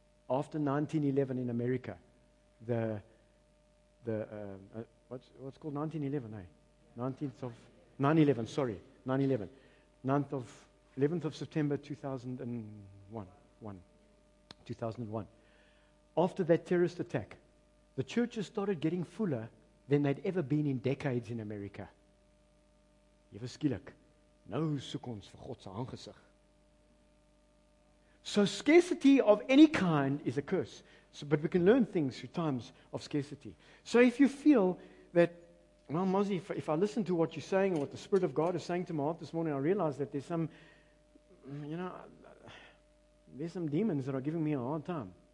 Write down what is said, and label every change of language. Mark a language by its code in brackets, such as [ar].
[en] After 1911 in America, what's called 1911, eh? 11th of September 2001. After that terrorist attack, the churches started getting fuller than they'd ever been in decades in America. [af] Ewe skielik, nou soek ons vir God se aangesig. [en] So scarcity of any kind is a curse. But we can learn things through times of scarcity. So if you feel that, well, Mozzie, if I listen to what you're saying and what the Spirit of God is saying to my heart this morning, I realize that there's some, you know, there's some demons that are giving me a hard time.